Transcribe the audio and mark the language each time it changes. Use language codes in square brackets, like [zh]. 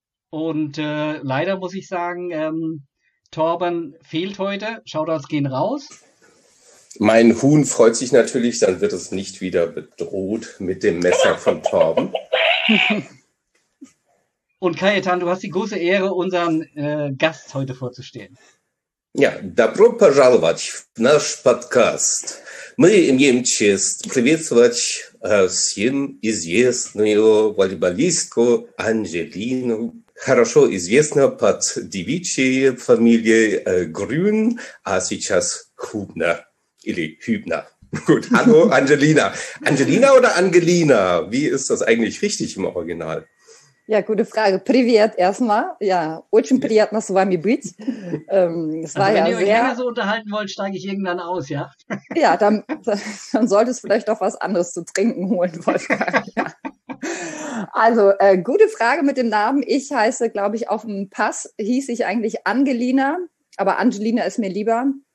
[de] Und leider muss ich sagen, Torben fehlt heute. Shoutouts gehen raus. Mein Huhn freut sich natürlich, dann wird es nicht wieder bedroht mit dem Messer von Torben. Und Kajetan, du hast die große Ehre, unseren Gast heute vorzustellen. [ru] Ja, добро пожаловать в наш подкаст. Мы имеем честь приветствовать всем известную волейболистку Анжелину, хорошо известную под девичьей фамилией Грюн, а сейчас Хубнер. [de] Или Hübner. Gut, hallo Angelina. Angelina oder Angelina? Wie ist das eigentlich richtig im Original? Ja, gute Frage. Privet erstmal. [ru] Ja, очень приятно с вами быть. [de] Es war also, wenn ja ihr sehr... euch länger so unterhalten wollt, steige ich irgendwann aus, ja? Ja, dann solltest du vielleicht auch was anderes zu trinken holen, Wolfgang. Ja. Also, gute Frage mit dem Namen. Ich heiße, glaube ich, auf dem Pass hieß ich eigentlich Angelina, aber Angelina ist mir lieber.